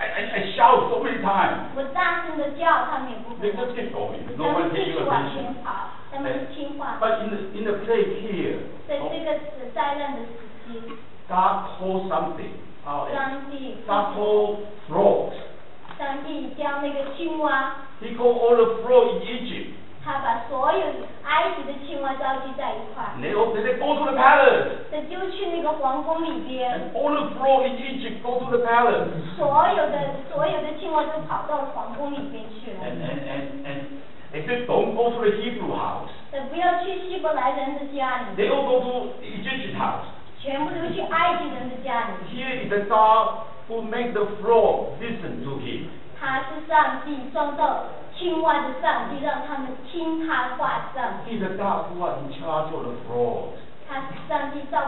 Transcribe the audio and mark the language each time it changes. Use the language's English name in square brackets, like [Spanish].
[English] I shout so many times. [Chinese] 我大声地叫他们也不会。 [English] They just keep going. No one pays you attention. [Chinese] 他们听话。 [English] But in the place here, [Chinese] 在这个灾难的时期, [English] God calls something. [Chinese] 上帝, [English] God calls frogs. [Chinese] 上帝叫那个青蛙, [English] He called all the frogs in Egypt. [Chinese] 他把所有埃及的青蛙召集在一块。 [English] They go to the palace. [Chinese] 他就去那个皇宫里边。 [English] And all the frogs in Egypt go to the palace. [Chinese] 所有的青蛙都跑到皇宫里边去了。 [English] And they said, don't go to the Hebrew house. They all go to Egyptian house. [Chinese] 全部都去埃及人的家里。 [English] Here is the God who makes the frog listen to him. [Chinese] 他是上帝创造 青蛙的上帝, 让他们听他话的上帝。 [English] He's the God who is in charge of the frogs.